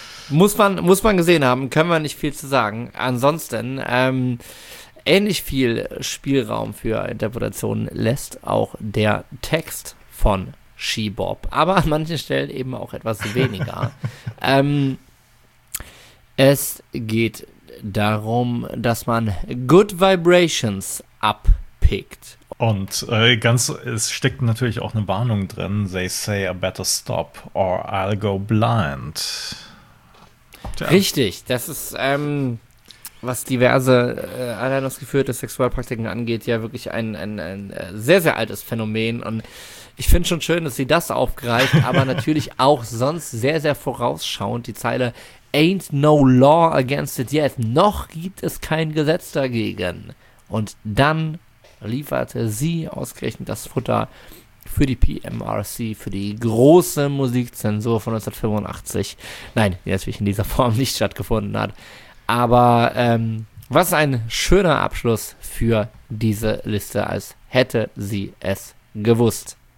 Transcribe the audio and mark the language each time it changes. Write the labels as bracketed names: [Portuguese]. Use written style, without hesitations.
[German] muss man gesehen haben, können wir nicht viel zu sagen. Ansonsten, ähnlich viel Spielraum für Interpretationen lässt auch der Text von She-Bop. Aber an manchen Stellen eben auch etwas weniger. es geht darum, dass man Good Vibrations abpickt. Und es steckt natürlich auch eine Warnung drin. [English] They say I better stop or I'll go blind. [German] Tja. Richtig, das ist was diverse alleinausgeführte Sexualpraktiken angeht, ja wirklich ein sehr, sehr altes Phänomen. Und ich finde schon schön, dass sie das aufgreift, aber natürlich auch sonst sehr, sehr vorausschauend. Die Zeile [English] Ain't no law against it yet. [German] Noch gibt es kein Gesetz dagegen. Und dann lieferte sie ausgerechnet das Futter für die PMRC, für die große Musikzensur von 1985. Nein, die natürlich in dieser Form nicht stattgefunden hat. Aber was ein schöner Abschluss für diese Liste, als hätte sie es gewusst.